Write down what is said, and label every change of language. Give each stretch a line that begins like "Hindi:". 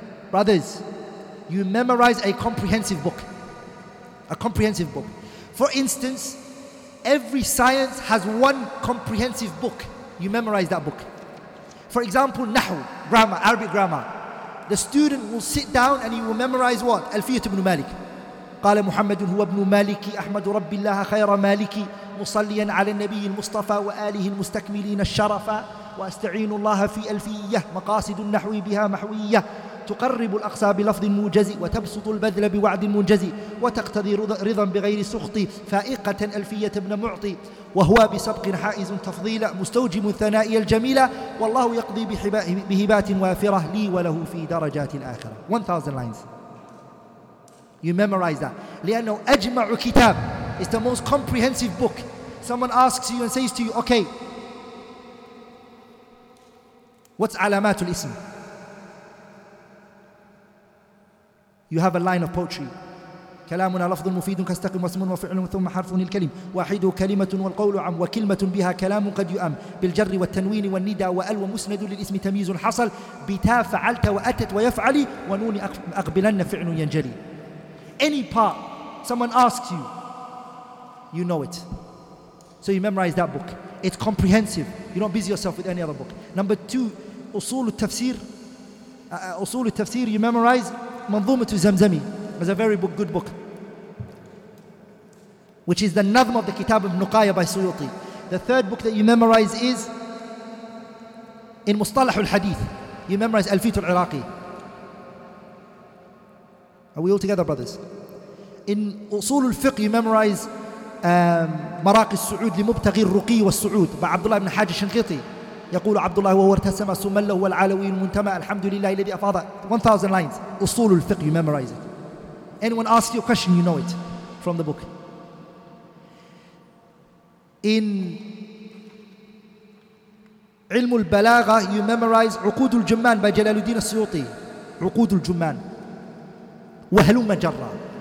English: Brothers, you memorize a comprehensive book. A comprehensive book. For instance, every science has one comprehensive book. You memorize that book. For example, Nahu, grammar, Arabic grammar. The student will sit down and he will memorize what? Alfiyat ibn Malik.
Arabic: قال محمد هو ابن مالك أحمد رب الله خير مالك مصليا على النبي المصطفى وآله المستكملين الشرفا وأستعين الله في ألفية مقاصد النحو بها محوية تقرب الأقصى بلفظ موجز وتبسط البذل بوعد منجز وتقتضي رضا بغير سخط فائقة ألفية ابن معطي وهو بسبق حائز تفضيل مستوجب الثنائي الجميلة والله يقضي بهبات وافرة لي وله في درجات الآخرة.
English: 1,000 lines. You memorize that.
Arabic: لأنه أجمع كتاب.
English: It's the most comprehensive book. Someone asks you and says to you, okay, what's
Arabic: علامات الاسم?
English: You have a line of poetry.
Arabic: كلامنا لفظ مفيد كاستقم واسم وفعل ثم حرف الكلم واحد كلمة والقول عم وكلمة بها كلام قد يؤم بالجر والتنوين والندى وأل ومسند للإسم تمييز حصل بتا فعلت وأتت ويفعلي ونون أقبلن فعل ينجلي.
English: Any part someone asks you, you know it. So you memorize that book. It's comprehensive. You don't busy yourself with any other book. Number two,
Arabic: أصول التفسير. أصول التفسير,
English: you memorize
Arabic: منظومة زمزمي.
English: It's a very book, good book. Which is the Nazm of the Kitab of Nuqaya by Suyuti. The third book that you memorize is in Mustalah al-Hadith. You memorize Al-Fitr al-Iraqi. Are we all together, brothers?
Arabic: In أصول الفقه,
English: you memorize
Arabic: مراقي السعود لمبتغي الرقي والسعود بعبد الله بن حاج الشنقيطي يقول عبد الله وهو ارتسم سمل هو العلوي المنتمى الحمد لله الذي افاض
English: 1000 lines
Arabic: اصول الفقه
English: you memorize it. Anyone asks you a question you know it from the book.
Arabic: In علم البلاغه
English: you memorize
Arabic: عقود الجمان by جلال الدين السيوطي عقود الجمان وهلم جرى.